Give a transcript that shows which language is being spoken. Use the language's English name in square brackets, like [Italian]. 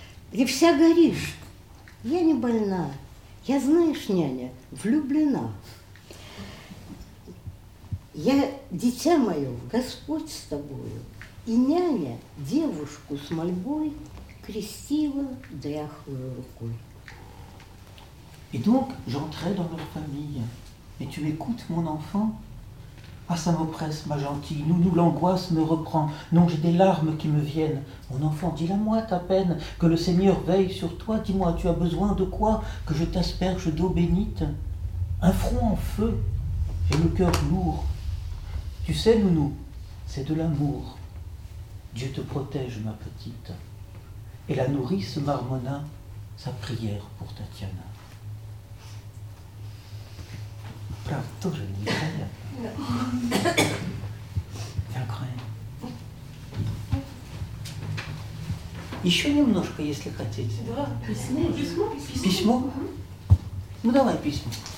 [Russian] Ты вся горишь. Я не больна. Я, знаешь, няня, влюблена. Я, дитя мое, Господь с тобою, и няня девушку с мольбой крестила дряхлой рукой. [French] И donc j'entrai dans leur famille. Mais tu m'écoutes, mon enfant? Ah, ça m'oppresse, ma gentille. Nounou, l'angoisse me reprend. Non, j'ai des larmes qui me viennent. Mon enfant, dis-la-moi ta peine. Que le Seigneur veille sur toi. Dis-moi, tu as besoin de quoi? Que je t'asperge d'eau bénite? Un front en feu. J'ai le cœur lourd. Tu sais, Nounou, c'est de l'amour. Dieu te protège, ma petite. Et la nourrice marmonna sa prière pour Tatiana. [Russian] Правда, тоже невероятно. Невероятно. Еще немножко, если хотите. Да, письмо. Письмо? Письмо? Ну, давай письмо.